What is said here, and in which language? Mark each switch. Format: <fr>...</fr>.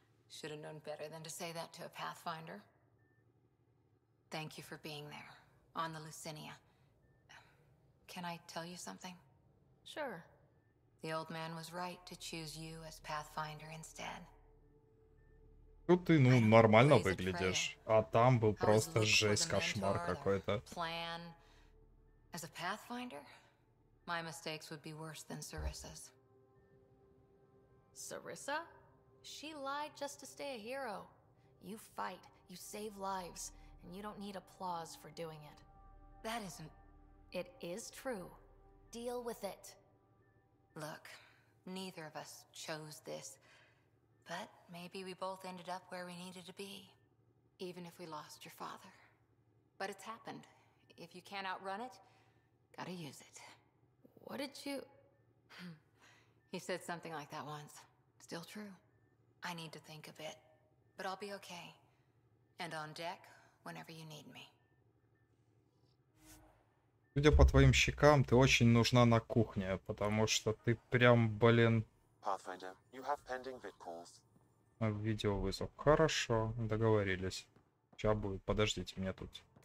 <en>Should have known better than to say that to a Pathfinder. Thank you for being there, on the Lucinia. Can I tell you something? Sure. The old man was right to choose you as Pathfinder instead.</en> <ru>Тут ты, ну, нормально выглядишь, а там был просто жесть, кошмар какой-то.</ru> <en>Plan as a Pathfinder? My mistakes would be worse than Sarissa's. Sarissa? She lied just to stay a hero. You fight, you save lives, and you don't need applause for doing it. That isn't... It is true. Deal with it. Look, neither of us chose this, but maybe we both ended up where we needed to be, even if we lost your father. But it's happened. If you can't outrun it, gotta use it. What did you... He said something like that once. Still true. I need to think a bit, but I'll be okay. And on deck, whenever you need me.</en> <ru>Судя по твоим щекам, ты очень нужна на кухне, потому что ты прям, блин...</ru> <en>Pathfinder, you have pending vid calls.</en> <ru>Видеовызов. Хорошо, договорились. Сейчас будет. Подождите, мне тут...</ru>